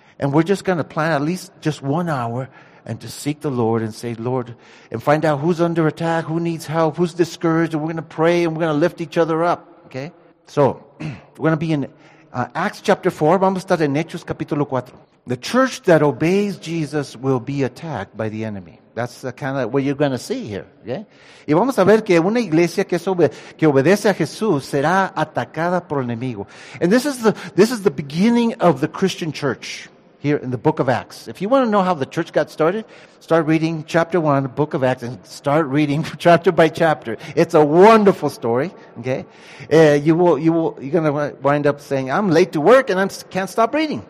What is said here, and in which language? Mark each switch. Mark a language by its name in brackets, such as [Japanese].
[English] And we're just going to plan at least just 1 hour and to seek the Lord and say, Lord, and find out who's under attack, who needs help, who's discouraged. And we're going to pray and we're going to lift each other up. Okay? So we're going to be in Acts chapter 4. [Spanish] Vamos a estar en Hechos capítulo 4. [English] The church that obeys Jesus will be attacked by the enemy. That's the kind of what you're going to see here. Okay? [Spanish] Y vamos a ver que una iglesia que obedece a Jesús será atacada por el enemigo. [English] And this is the beginning of the Christian church here in the book of Acts. If you want to know how the church got started, start reading chapter 1, book of Acts, and start reading chapter by chapter. It's a wonderful story. Okay? You're going to wind up saying, I'm late to work and I can't stop reading.